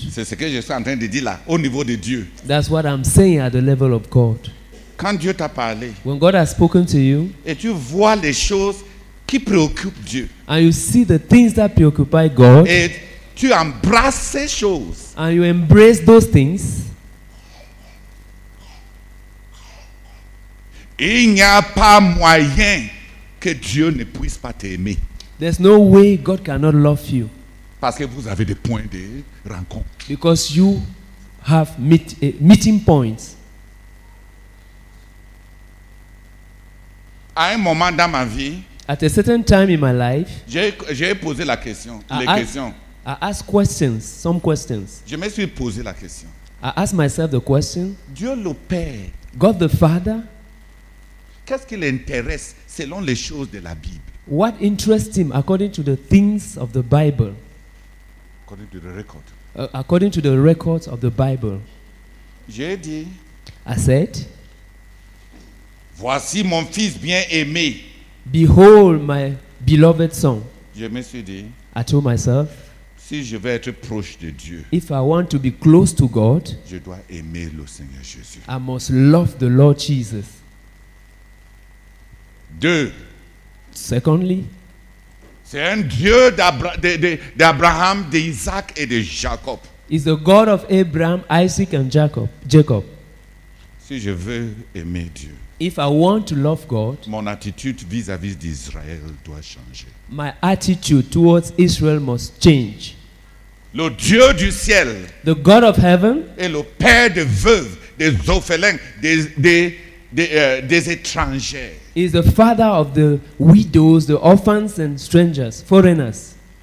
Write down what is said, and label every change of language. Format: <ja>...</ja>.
<fr>C'est ce que je suis en train de dire là, au niveau de Dieu.</fr> <en>That's what I'm saying at the level of God.</en> <fr>Quand Dieu t'a parlé.</fr> <en>When God has spoken to you.</en> <fr>Et tu vois les choses qui préoccupent Dieu.</fr> <en>And you see the things that preoccupy God.</en> <fr>Et tu embrasses ces choses.</fr> <en>And you embrace those things.</en> <fr>Il n'y a pas moyen que Dieu ne puisse pas t'aimer.</fr> <en>There's no way God cannot love you.</en> <fr>Parce que vous avez des points de rencontre.</fr> <en>Because you have meeting points.</en> <fr>À un moment dans ma vie,</fr> <en>at a certain time in my life,</en> <fr>j'ai posé la question,</fr> <en>I asked questions, some questions.</en> <fr>Je me suis posé la question.</fr> <en>I asked myself the question.</en> <fr>Dieu le Père.</fr> <en>God the Father.</en> <fr>Qu'est-ce qui l'intéresse selon les choses de la Bible?</fr> <en>What interests him according to the things of the Bible? According to the record. According to the records of the Bible.</en> <fr>J'ai dit.</fr> <en>I said.</en> <fr>Voici mon fils bien aimé.</fr> <en>Behold my beloved son.</en> <fr>Je me suis dit,</fr> <en>I told myself,</en> <fr>si je veux être proche de Dieu,</fr> <en>if I want to be close to God,</en> <fr>je dois aimer le Seigneur Jésus.</fr> <en>I must love the Lord Jesus.</en> <fr>Deux.</fr> <en>Secondly,</en> <fr>c'est un Dieu d'Abraham, d'Isaac et de Jacob.</fr> <en>Is the God of Abraham, Isaac and Jacob.</en> <fr>Si je veux aimer Dieu,</fr> <en>if I want to love God,</en> <fr>mon attitude vis-à-vis d'Israël doit changer.</fr> <en>My attitude towards Israel must change.</en> <fr>Le Dieu du ciel,</fr> <en>the God of heaven,</en> <fr>est le père de veuves, des orphelins, des étrangers.</fr> <en>Is the father of the widows, the orphans and strangers, foreigners,</en>